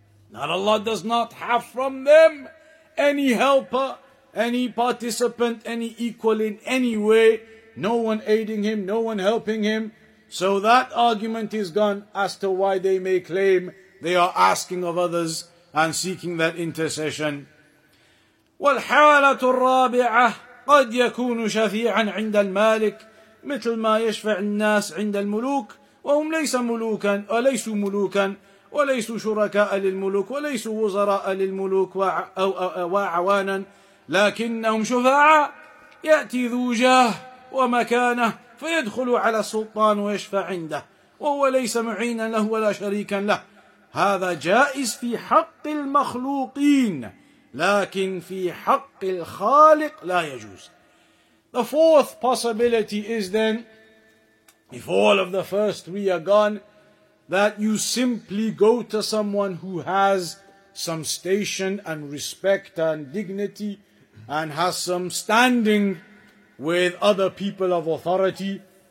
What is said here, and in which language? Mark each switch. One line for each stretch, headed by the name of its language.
English: Not Allah does not have from them any helper, any participant, any equal in any way. No one aiding him, no one helping him. So that argument is gone as to why they may claim they are asking of others and seeking that intercession.
Arabic: والحالة الرابعة قد يكون شفيعا عند المالك مثل ما يشفع الناس عند الملوك وهم ليس ملوكا وليس ملوكا وليس شركاء للملوك وليس وزراء للملوك وعوانا لكنهم شفعاء يأتي ذو جاه ومكانه فيدخل على السلطان ويشفع عنده وهو ليس معينا له ولا شريكا له. هذا جائز في حق المخلوقين لكن في حق الخالق لا يجوز.
English: The fourth possibility is then, if all of the first three are gone, that you simply go to someone who has some station and respect and dignity and has some standing with other people of authority.